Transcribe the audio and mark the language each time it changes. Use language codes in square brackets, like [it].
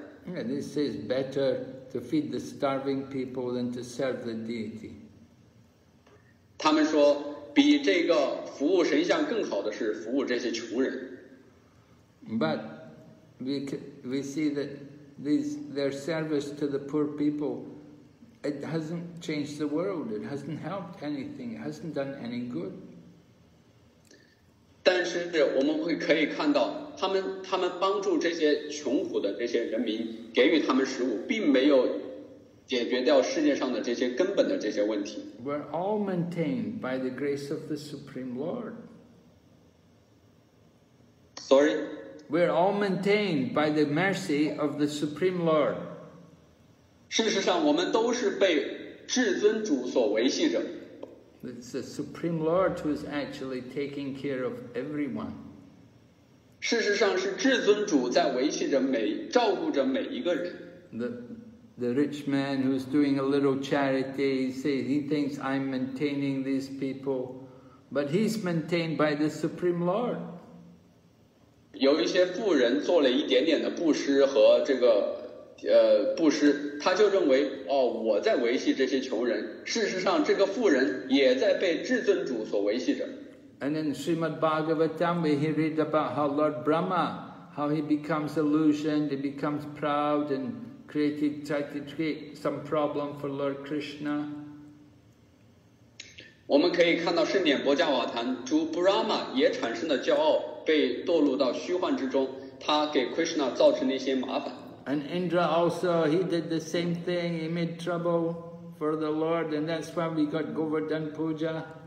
[en] Yeah, this is better to feed the starving people than to serve the deity. [zh] 他们说，比这个服务神像更好的是服务这些穷人。 [en] But we see that their service to the poor people, it hasn't changed the world. It hasn't helped anything. It hasn't done any good. [zh] 但是我们会可以看到他们帮助这些穷苦的这些人民，给予他们食物，并没有解决掉世界上的这些根本的这些问题。 [en] We're all maintained by the grace of the Supreme Lord. Sorry? We're all maintained by the mercy of the Supreme Lord. [zh] 事实上我们都是被至尊主所维系着。 [en] It's the Supreme Lord who is actually taking care of everyone. [zh] 事实上是至尊主在维系着每照顾着每一个人。 [en] The rich man who's doing a little charity, he thinks I'm maintaining these people, but he's maintained by the Supreme Lord. [zh] 有一些富人做了一点点的布施和这个布施，他就认为哦，我在维系这些穷人。事实上，这个富人也在被至尊主所维系着。 [en] And in Srimad Bhagavatam, we hear about how Lord Brahma, how he becomes illusioned, he becomes proud, and tried to create some problem for Lord Krishna. [zh] 我们可以看到圣典波迦瓦坛，主 Brahma 也产生了骄傲，被堕入到虚幻之中。他给 Krishna 造成了一些麻烦。 [en] And Indra also, he did the same thing, he made trouble for the Lord, and that's why we got Govardhan Puja.